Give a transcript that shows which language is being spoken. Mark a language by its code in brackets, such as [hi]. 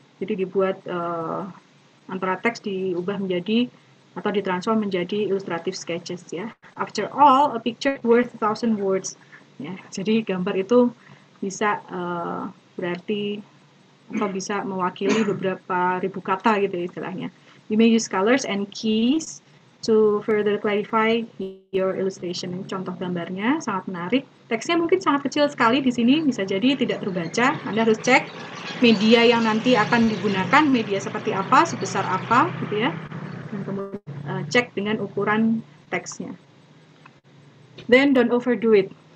[id] Jadi dibuat antara teks diubah menjadi atau ditransform menjadi illustrative sketches ya. [en] After all, a picture worth 1,000 words. [id] Ya, jadi gambar itu bisa berarti apa bisa mewakili beberapa ribu kata gitu istilahnya. [en] You may use colors and keys to further clarify your illustration. [id] Contoh gambarnya sangat menarik. Teksnya mungkin sangat kecil sekali di sini, bisa jadi tidak terbaca. Anda harus cek media yang nanti akan digunakan, media seperti apa, sebesar apa, gitu ya. Dan kemudian cek dengan ukuran teksnya. [en] Then don't overdo it.